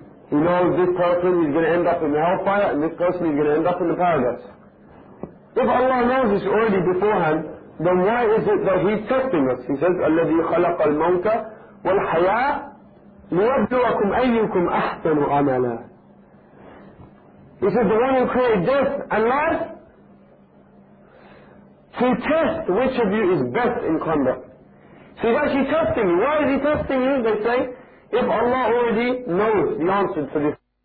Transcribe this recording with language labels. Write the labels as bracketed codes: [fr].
[en] He knows this person is going to end up in the hellfire, and this person is going to end up in the paradise. If Allah knows this already beforehand, then why is it that He's testing us? He says, [ar] الَّذِي خَلَقَ الْمَوْتَ وَالْحَيَاةَ لِيَبْلُوَكُمْ أَيُّكُمْ أَحْسَنُ عَمَلًا. [en] He said, the one who created death and life, to test which of you is best in conduct. So he's actually testing you. Why is He testing you? They say, if Allah already knows the answer to this.